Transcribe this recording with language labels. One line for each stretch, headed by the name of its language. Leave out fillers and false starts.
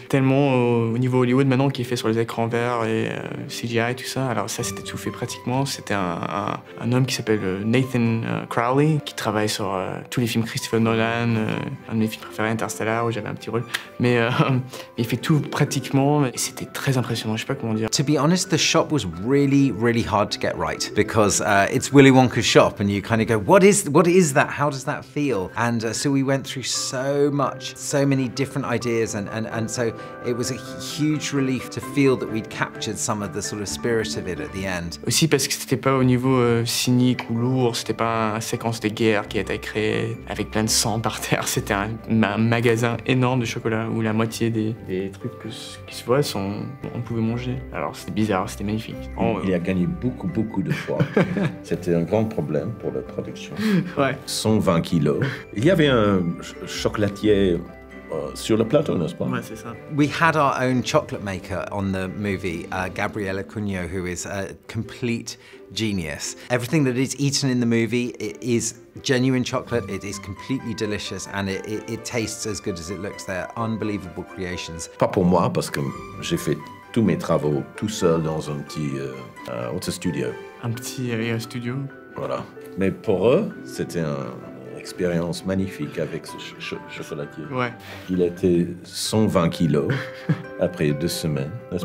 French: Tellement au niveau Hollywood maintenant, qui est fait sur les écrans verts et CGI et tout ça. Alors ça, c'était tout fait pratiquement. C'était un homme qui s'appelle Nathan Crowley, qui travaille sur tous les films Christopher Nolan, un de mes films préférés, Interstellar, où j'avais un petit rôle. Mais il fait tout pratiquement. Et c'était très impressionnant, je sais pas comment dire.
English: To be honest, the shop was really, really hard to get right. Because it's Willy Wonka's shop, and you kind of go, what is that? How does that feel? And so we went through so much, so many different ideas, and so it was a huge relief to feel that we'd captured some of the sort of spirit of it at the end.
French: Aussi parce que c'était pas au niveau cynique ou lourd, c'était pas une séquence de guerre qui a été créée avec plein de sang par terre. C'était un magasin énorme de chocolat où la moitié des trucs qui se voient sont on pouvait manger. Alors c'était bizarre, c'était magnifique. Il a gagné beaucoup de poids. C'était un grand problème pour la production. Ouais. 120 kilos. Il y avait un chocolatier. Sur le plateau, n'est-ce pas? Ouais, c'est ça.
English: We had our own chocolate maker on the movie, Gabriela Cunho, who is a complete genius. Everything that is eaten in the movie, it is genuine chocolate, it is completely delicious, and it tastes as good as it looks. They're unbelievable creations.
French: Pas pour moi, parce que j'ai fait tous mes travaux tout seul dans un petit...
English: what's a studio?
French: Un petit studio. Voilà. Mais pour eux, c'était un... expérience magnifique avec ce chocolatier. Ouais. Il était 120 kilos après deux semaines, n'est-ce